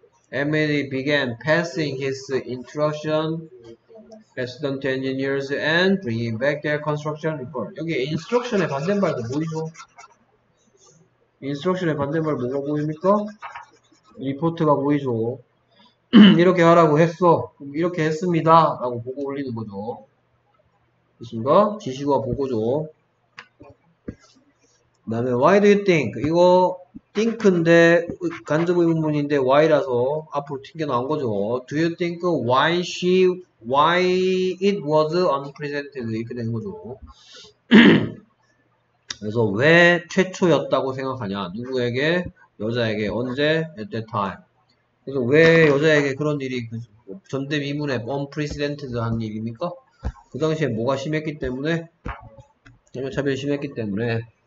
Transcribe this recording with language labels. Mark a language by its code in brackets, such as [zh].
[en] Emily began passing his instruction assistant engineers and bringing back their construction report. [ko] 여기 인스트럭션의 반대말도 보이죠? 인스트럭션의 반대말 뭐가 보입니까? 리포트가 보이죠. 이렇게 하라고 했어. 이렇게 했습니다. 라고 보고 올리는 거죠. 그렇습니까? 지시와 보고죠. 그 다음에 [en] why do you think? [ko] 이거 think인데 간접 의문문인데 why라서 앞으로 튕겨 나온 거죠. [en] Do you think why it was unprecedented [ko] 이렇게 된 거죠. 그래서 왜 최초였다고 생각하냐? 누구에게? 여자에게 언제? [en] At that time. [ko] 그래서 왜 여자에게 그런 일이 전대미문의 unprecedented한 일입니까? 그 당시에 뭐가 심했기 때문에? 남녀차별이 심했기 때문에.